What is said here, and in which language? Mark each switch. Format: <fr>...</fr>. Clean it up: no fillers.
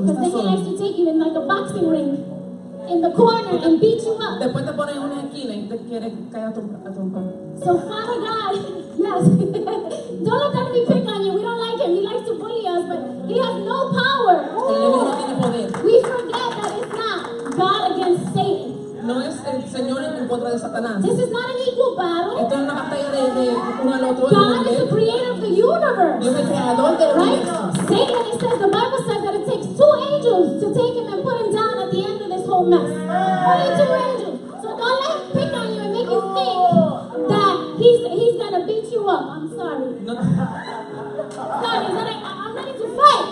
<en>Because then he likes to take you in like a boxing ring in the corner and beat you up.</en> <es>Después te pone una esquina y te quiere caer a tu cuerpo.</es> <en>So Father God, yes, don't let the enemy pick on you. We don't like him. He likes to bully us, but he has no power.</en> <es>El enemigo no tiene poder.</es> <en>We forget that it's not God against Satan.</en> <es>No es el Señor en contra de Satanás.</es> <en>This is not an equal battle.</en> <es>Esto es una batalla de uno al otro.</es> <en>God is the creator of the universe.</en> <es>Dios es el creador del universo.</es> <en>Satan, he says, the Bible says that it takes two angels to take him and put him down at the end of this whole mess. Only two angels. So don't let him pick on you and make you he's gonna beat you up. I'm sorry. No. Sorry, he's like, I'm ready to fight.</en>